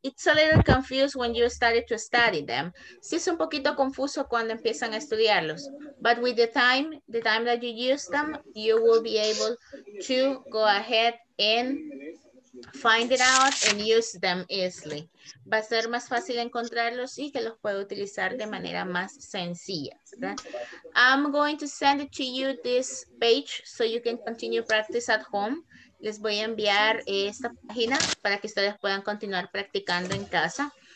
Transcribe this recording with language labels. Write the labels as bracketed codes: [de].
[en] It's a little confused when you started to study them. [es] Sí, es un poquito confuso cuando empiezan a estudiarlos. [en] But with the time that you use them, you will be able to go ahead and find it out and use them easily. [es] Va a ser más fácil encontrarlos y que los puedo utilizar de manera más sencilla, ¿verdad? [en] I'm going to send it to you this page so you can continue practice at home. [es] Les voy a enviar esta página para que ustedes puedan continuar practicando en casa.